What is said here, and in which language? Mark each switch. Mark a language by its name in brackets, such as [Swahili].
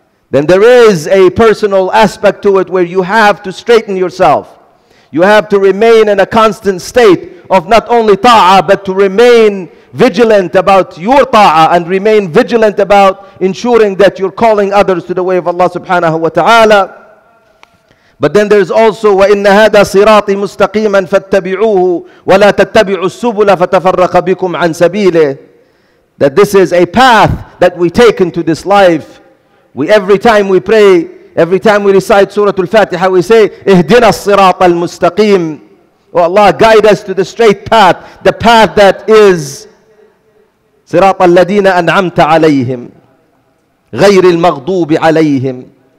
[English] Then there is a personal aspect to it where you have to straighten yourself. You have to remain in a constant state of not only ta'a, but to remain vigilant about your ta'a and remain vigilant about ensuring that you're calling others to the way of Allah subhanahu wa ta'ala. But then there's also [Arabic] وَإِنَّ هَذَا صِرَاطِ مُسْتَقِيمًا فَاتَّبِعُوهُ وَلَا تَتَّبِعُوا السُّبُلَ فَتَفَرَّقَ بِكُمْ عَنْ سَبِيلِهِ. [English] That this is a path that we take into this life. We, every time we pray, every time we recite Surah Al-Fatiha, we say [Arabic] اِهْدِنَا الصِّرَاطَ الْمُسْتَقِيمِ. [English] Oh Allah, guide us to the straight path, the path that is [Arabic] صِرَاطَ الَّذِينَ أَنْعَمْتَ عَلَيْهِمْ غَيْرِ الْمَغْضُوبِ عَلَيْهِمْ.